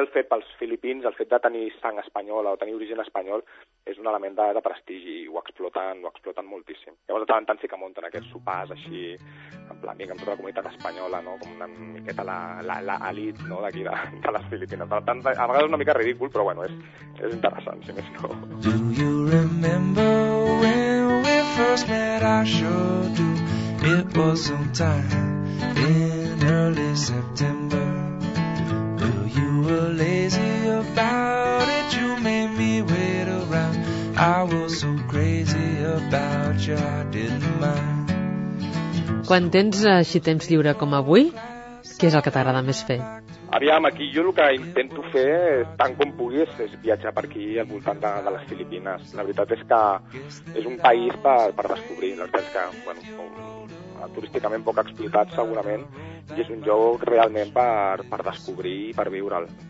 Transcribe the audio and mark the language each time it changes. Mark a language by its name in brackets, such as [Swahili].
[Catalan] Aquí el fet pels filipins, el fet de tenir sang espanyola o tenir origen espanyol és un element de prestigi i ho exploten moltíssim. Llavors, de tant en tant sí que munten aquests sopars així, en pla, amb tota la comunitat espanyola, no? Com una miqueta la elit, no? D'aquí de les Filipines. Per tant, a vegades és una mica ridícul, però bueno, és interessant, si més no. [English] Do you remember when we first met? I sure do. It was sometime in early September. Well, you were lazy about it. You made me wait around. I was so crazy about you, I didn't mind. [Catalan] Quan tens així temps lliure com avui, què és el que t'agrada més fer? Aviam, aquí jo el que intento fer, tant com pugui, és viatjar per aquí al voltant de les Filipines. La veritat és que és un país per descobrir. La veritat és que, bueno, turísticament poc explotat segurament, i és un lloc realment per descobrir i per viure'l.